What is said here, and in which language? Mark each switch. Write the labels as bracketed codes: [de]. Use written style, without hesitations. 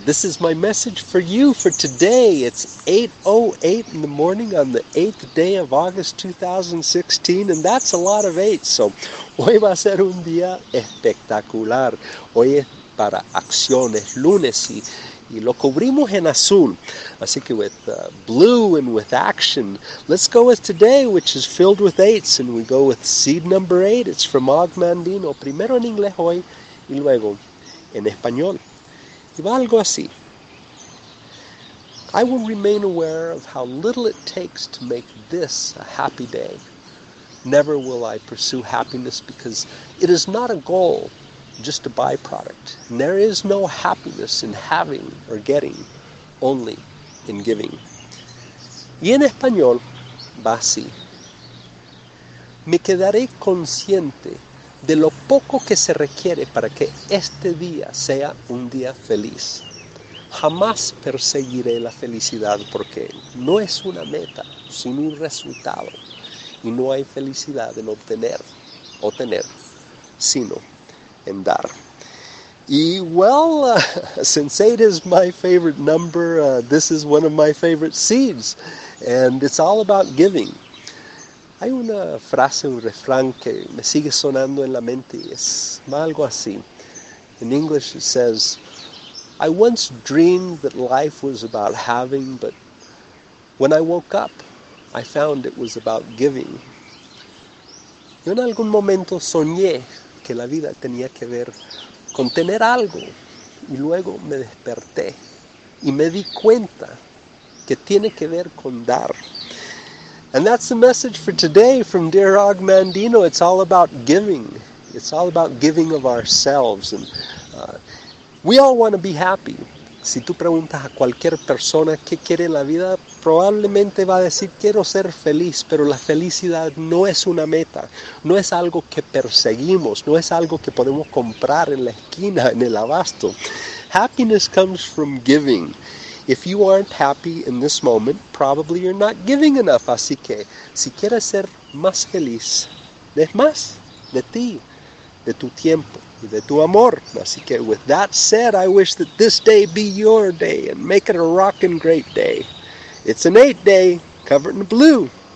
[en] This is my message for you for today. It's 8:08 in the morning on the 8th day of August 2016, and that's a lot of 8. [es] So, hoy va a ser un día espectacular. Hoy es para acciones, lunes, y lo cubrimos en azul. Así que [en] with blue and with action, let's go with today, which is filled with 8s, and we go with seed number 8. It's from Og Mandino. [es] Primero en inglés hoy, y luego en español. Y va algo así. [en] I will remain aware of how little it takes to make this a happy day. Never will I pursue happiness because it is not a goal, just a byproduct. And there is no happiness in having or getting, only in giving. [es] Y en español va así. Me quedaré consciente de lo poco que se requiere para que este día sea un día feliz. Jamás perseguiré la felicidad porque no es una meta, sino un resultado. Y no hay felicidad en obtener o tener, sino en dar. [en] Y, well, since 8 is my favorite number, this is one of my favorite seeds. And it's all about giving. [es] Hay una frase, un refrán que me sigue sonando en la mente y es algo así. [en] In English it says, I once dreamed that life was about having, but when I woke up, I found it was about giving. [es] Yo en algún momento soñé que la vida tenía que ver con tener algo y luego me desperté y me di cuenta que tiene que ver con dar. [en] And that's the message for today from Dear Og Mandino. It's all about giving. It's all about giving of ourselves. And we all want to be happy. [es] Si tú preguntas a cualquier persona qué quiere en la vida, probablemente va a decir, quiero ser feliz. Pero la felicidad no es una meta. No es algo que perseguimos. No es algo que podemos comprar en la esquina, en el abasto. [en] Happiness comes from giving. If you aren't happy in this moment, probably you're not giving enough. [es] Así que, si quieres ser más feliz, des más de ti, de tu tiempo y de tu amor. Así que, [en] with that said, I wish that this day be your day and make it a rockin' great day. It's an 8 day covered in blue.